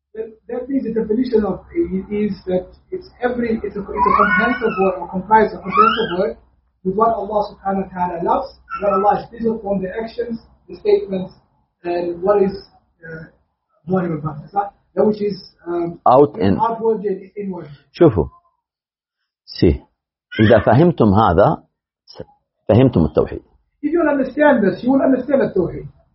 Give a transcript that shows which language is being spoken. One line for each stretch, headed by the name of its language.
English: That means the definition of it is that it's a comprehensive word or comprises a comprehensive word with what Allah subhanahu wa ta'ala loves, what Allah is pleased from the actions, the statements, and what is glory about that which is out and outward and inward.
Arabic: شوفوا.
English: See.
Arabic: إذا فهمتم هذا فهمتم التوحيد.
English: If you understand this, you will understand the توحيد.